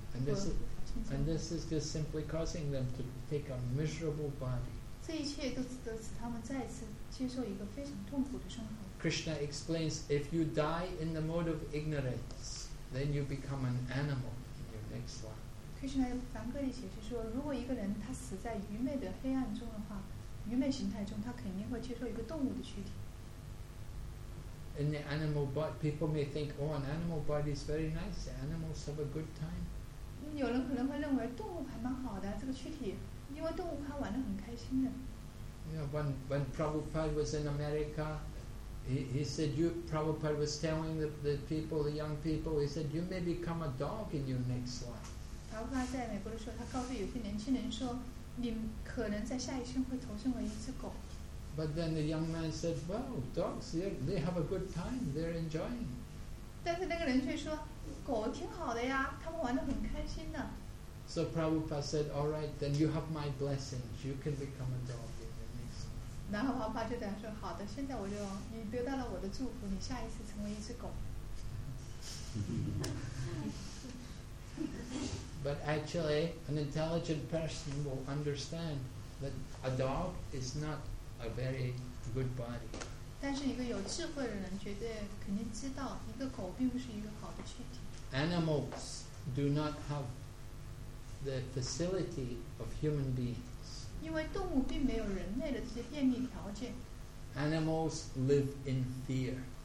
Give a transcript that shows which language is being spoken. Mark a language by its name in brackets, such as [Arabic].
[English] And this is just simply causing them to take a miserable body. [Chinese] 这一切都是使他们再次接受一个非常痛苦的生活。 [English] Krishna explains, if you die in the mode of ignorance, then you become an animal in your next life. [Chinese] Krishna 梵歌里解释说，如果一个人他死在愚昧的黑暗中的话，愚昧形态中，他肯定会接受一个动物的躯体。 [English] In the animal body, people may think, oh, an animal body is very nice. The animals have a good time. [Chinese] 有人可能会认为动物还蛮好的，这个躯体，因为动物它玩得很开心的。 [English] Yeah, when Prabhupada was in America. He said, Prabhupada was telling the people, the young people, he said, you may become a dog in your next life. [Chinese] Prabhupada 在美国的时候，他告诉有些年轻人说，你可能在下一生会投生为一只狗。 [English] But then the young man said, well, dogs, they have a good time, they're enjoying. [Chinese] 但是那个人却说，狗挺好的呀，他们玩得很开心的。 [English] So Prabhupada said, all right, then you have my blessings, you can become a dog. [Chinese] 然后王爸就等于说好的现在我就你得到了我的祝福你下一次成为一只狗 [English] But actually an intelligent person will understand that a dog is not a very good body [Chinese] 但是一个有智慧的人绝对肯定知道一个狗并不是一个好的躯体 [English] Animals do not have the facility of human beingsAnimals live in fear.